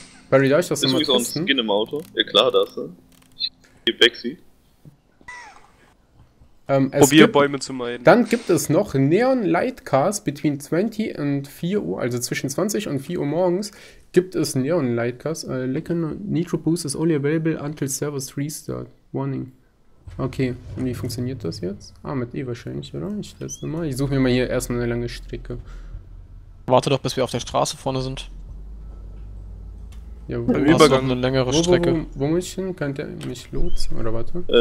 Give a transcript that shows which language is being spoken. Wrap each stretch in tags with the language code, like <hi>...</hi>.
<de>Barry, darf ich das nochmal testen? Ist übrigens auch ein Skin im Auto. Ja klar, das. Ich gebe Bexy. Probier Bäume zu meiden. Dann gibt es noch Neon Lightcast between 20 und 4 Uhr. Also zwischen 20 und 4 Uhr morgens. Gibt es Neon Lightcast?</de> <en>Lecker Nitro Boost is only available until Service Restart. Warning.</en> <de>Okay, und wie funktioniert das jetzt? Ah, mit E wahrscheinlich, oder? Ich teste mal. Ich suche mir mal hier erstmal eine lange Strecke. Warte doch, bis wir auf der Straße vorne sind. Ja, im Übergang eine längere Strecke. Wo muss ich hin? Könnt ihr mich lotsen? Oder warte?</de>